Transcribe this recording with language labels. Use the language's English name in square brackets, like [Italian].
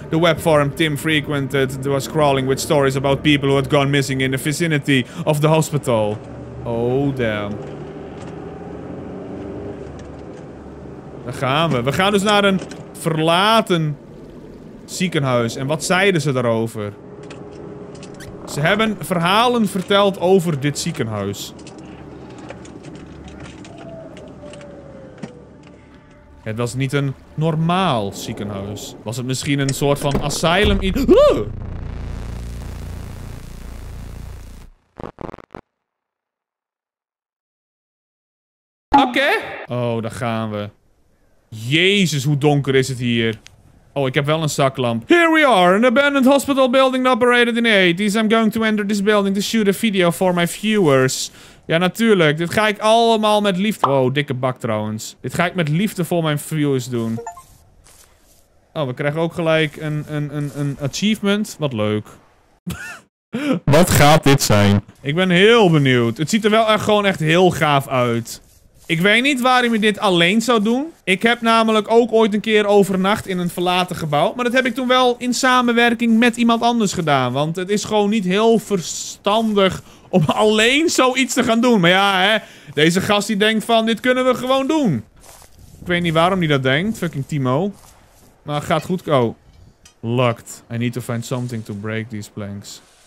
[English] The web forum Tim frequented was crawling with stories about people who had gone missing in the vicinity of the hospital. Oh, damn. [Dutch] Daar gaan we. We gaan dus naar een verlaten ziekenhuis. En wat zeiden ze daarover? Ze hebben verhalen verteld over dit ziekenhuis. Het was niet een normaal ziekenhuis. Was het misschien een soort van asylum in... Oké. Oh, daar gaan we. Jezus, hoe donker is het hier. Oh, ik heb wel een zaklamp. [English] Here we are, an abandoned hospital building operated in the 80s. I'm going to enter this building to shoot a video for my viewers. [Dutch] Ja, natuurlijk. Dit ga ik allemaal met liefde... Oh, dikke bak trouwens. Dit ga ik met liefde voor mijn viewers doen. Oh, we krijgen ook gelijk een achievement. Wat leuk. Wat gaat dit zijn? Ik ben heel benieuwd. Het ziet er wel echt gewoon echt heel gaaf uit. Ik weet niet waarom je dit alleen zou doen. Ik heb namelijk ook ooit een keer overnacht in een verlaten gebouw. Maar dat heb ik toen wel in samenwerking met iemand anders gedaan. Want het is gewoon niet heel verstandig om alleen zoiets te gaan doen. Maar ja, hè. Deze gast die denkt van, dit kunnen we gewoon doen. Ik weet niet waarom hij dat denkt. Fucking Timo. Maar gaat goed. Oh. Locked. [English] I need to find something to break these planks.